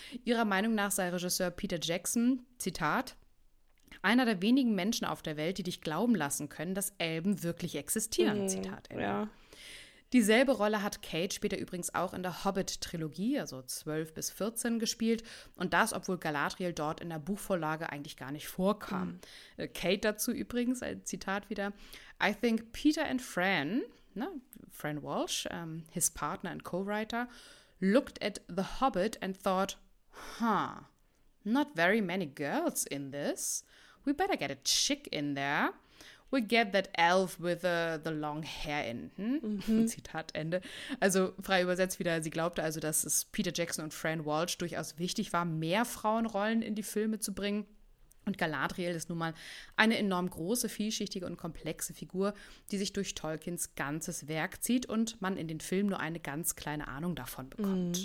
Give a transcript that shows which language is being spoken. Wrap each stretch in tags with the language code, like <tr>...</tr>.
<de>Ihrer Meinung nach sei Regisseur Peter Jackson, Zitat, einer der wenigen Menschen auf der Welt, die dich glauben lassen können, dass Elben wirklich existieren, Zitat Ende. Ja. Dieselbe Rolle hat Kate später übrigens auch in der Hobbit-Trilogie, also 12 bis 14, gespielt. Und das, obwohl Galadriel dort in der Buchvorlage eigentlich gar nicht vorkam. Mhm. Kate dazu übrigens, ein Zitat wieder,</de> <en>I think Peter and Fran, ne, Fran Walsh, his partner and co-writer, looked at The Hobbit and thought, huh, not very many girls in this. We better get a chick in there. We get that elf with the long hair in. Hm? Mhm.</en> <de>Zitat Ende. Also frei übersetzt wieder, sie glaubte also, dass es Peter Jackson und Fran Walsh durchaus wichtig war, mehr Frauenrollen in die Filme zu bringen. Und Galadriel ist nun mal eine enorm große, vielschichtige und komplexe Figur, die sich durch Tolkiens ganzes Werk zieht und man in den Filmen nur eine ganz kleine Ahnung davon bekommt.</de>